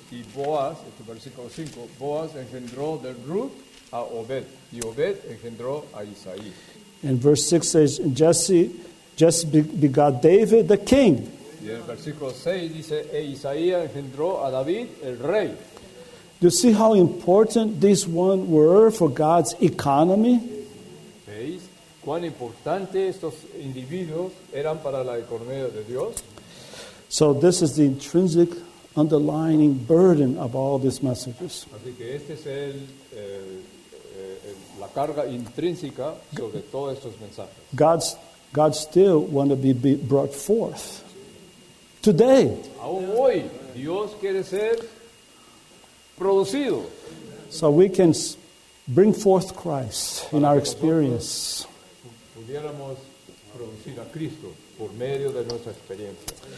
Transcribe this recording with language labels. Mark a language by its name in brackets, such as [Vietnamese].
[Spanish] Y Boaz, este versículo 5, Boaz engendró de Ruth a Obed, y Obed engendró a Isaí. [English] And verse 6 says, Jesse begot David, the king. [Spanish] Y el versículo 6 dice, e Isaías engendró a David, el rey. [English] Do you see how important these ones were for God's economy? [Spanish] ¿Veis cuán importante estos individuos eran para la economía de Dios? [English] So this is the intrinsic underlying burden of all these messages. [Spanish] Así que este es la carga intrínseca sobre todos estos mensajes. [English] God still want to be brought forth today. [Spanish] Aún hoy, Dios quiere ser producido. [English] So we can bring forth Christ in our experience. [Spanish] Pudiéramos producir a Cristo por medio de nuestra experiencia.